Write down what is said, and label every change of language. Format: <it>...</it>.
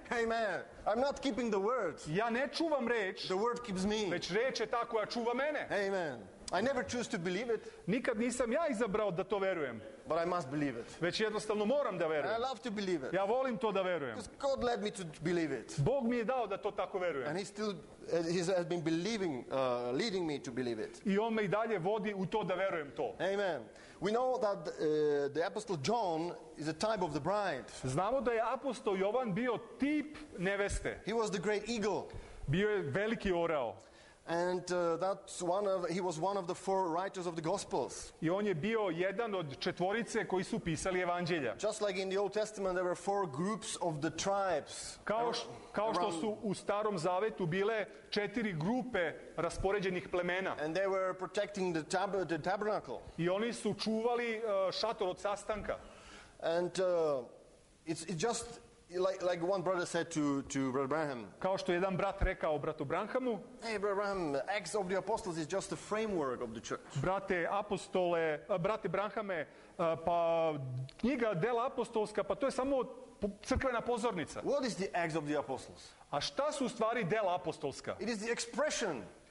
<en>Hey man, I'm not keeping the word.</en> <sr>Ja ne čuvam reč.</sr> <en>The word keeps me.</en> <sr>Već reč je ta koja čuva mene.</sr> <en>Hey man, I never choose to believe it.</en> <sr>Nikad nisam ja izabrao da to verujem.</sr> <en>But I must believe it.</en> <sr>Već jednostavno moram da verujem.</sr> <en>And I love to believe it.</en> <sr>Ja volim to da verujem.</sr> <en>Because God led me to believe it.</en> <sr>Bog mi je dao da to tako verujem.</sr> <en>And he has been leading me to believe it.</en> <sr>I on me i dalje vodi u to da verujem to.</sr> <en>Amen. We know that the apostle John is a type of the bride.</en> <sr>Znamo da je apostol Jovan bio tip neveste.</sr> <en>He was the great eagle.</en> <sr>Bio je veliki orao.</sr> <en>And he was one of the four writers of the Gospels.</en> <sr>I on je bio jedan od četvorice koji su pisali evanđelja.</sr> <en>Just like in the Old Testament, there were four groups of the tribes.</en> <sr>Kao što su u Starom Zavetu bile četiri grupe raspoređenih plemena.</sr> <en>And they were protecting the tabernacle.</en> <sr>I oni su čuvali šator od sastanka.</sr> <en>And it's just like one brother said to Brother Branham.</en> <sr>Kao što jedan brat rekao bratu Branhamu.</sr> <en>Hey Brother Branham, Acts of the Apostles is just a framework of the church.</en> <sr>Brate apostole, brate Branhame, pa knjiga Dela apostolska, pa to je samo crkvena pozornica.</sr> <en>What is the Acts of the Apostles?</en> <sr>A šta su u stvari Dela apostolska?</sr> <en>It is the expression.</en>